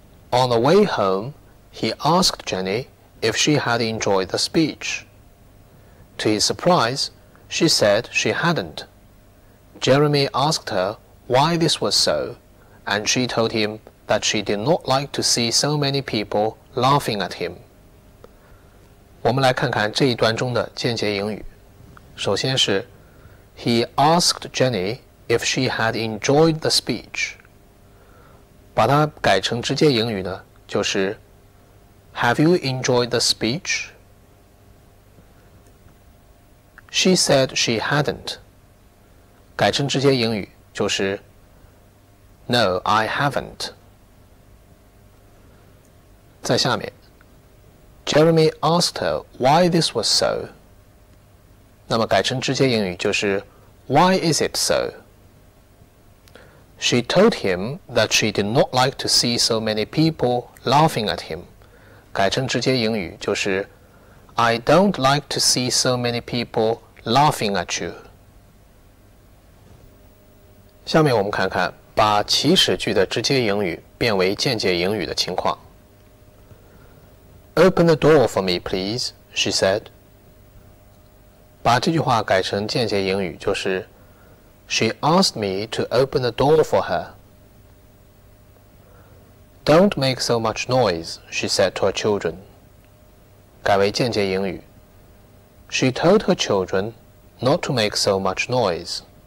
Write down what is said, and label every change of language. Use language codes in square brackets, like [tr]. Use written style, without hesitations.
[en] On the way home, he asked Jenny if she had enjoyed the speech. To his surprise, she said she hadn't. Jeremy asked her why this was so, and she told him that she did not like to see so many people laughing at him. [zh] 我们来看看这一段中的间接引语。首先是 [en] He asked Jenny if she had enjoyed the speech. [zh] 把它改成直接引语呢，就是 [en] Have you enjoyed the speech? She said she hadn't. [zh] 改成直接引语就是 [en] No, I haven't. [zh] 在下面 [en] Jeremy asked her why this was so. [zh] 那么改成直接引语就是 [en] Why is it so? She told him that she did not like to see so many people laughing at him. [zh] 改成直接引语就是 [en] I don't like to see so many people laughing at you. [zh] 下面我们看看把祈使句的直接引语变为间接引语的情况。 [en] Open the door for me, please, she said. [zh] 把这句话改成间接引语就是 [en] She asked me to open the door for her. Don't make so much noise, she said to her children. [zh] 改为间接引语。 [en] She told her children not to make so much noise.